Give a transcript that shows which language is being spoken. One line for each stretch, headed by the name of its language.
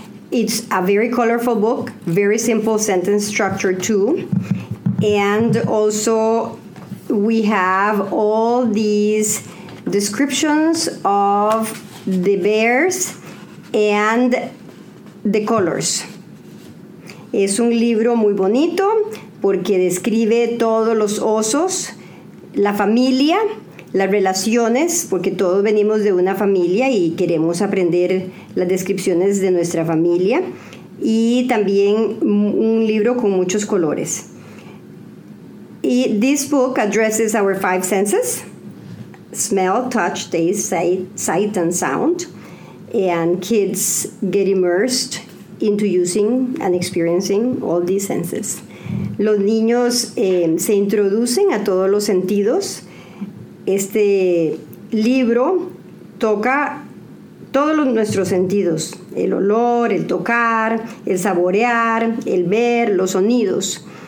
English: It's a very colorful book, very simple sentence structure too. And also we have all these descriptions of the bears and the colors.
Spanish: Es un libro muy bonito porque describe todos los osos, la familia, las relaciones, porque todos venimos de una familia y queremos aprender las descripciones de nuestra familia. Y también un libro con muchos colores.
English: Y this book addresses our 5 senses. Smell, touch, taste, sight and sound. And kids get immersed into using and experiencing all these senses.
Spanish: Los niños se introducen a todos los sentidos. Este libro toca todos nuestros sentidos, el olor, el tocar, el saborear, el ver, los sonidos.